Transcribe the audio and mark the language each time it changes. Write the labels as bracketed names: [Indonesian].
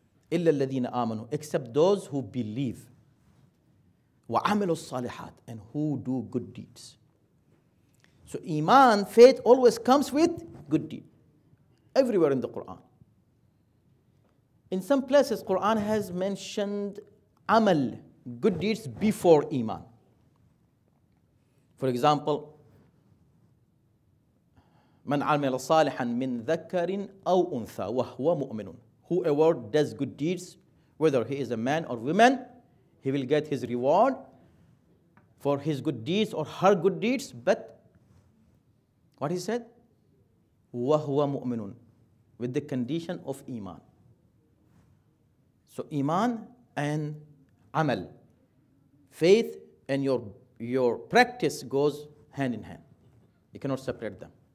[Arabic] Illa alladhina amanu, [English] except those who believe. [Arabic] Wa amilu salihat, [English] and who do good deeds. So iman, faith, always comes with good deeds. Everywhere in the Quran. In some places, Quran has mentioned amal, good deeds, before iman. For example, [Arabic] من عمل صالحا من ذكر أو أنثى وهو مؤمن. [English] Whoever does good deeds, whether he is a man or woman, he will get his reward for his good deeds or her good deeds. But what he said? [Arabic] وهو مؤمن. [English] With the condition of iman. So iman and amal, faith and your practice goes hand in hand. You cannot separate them.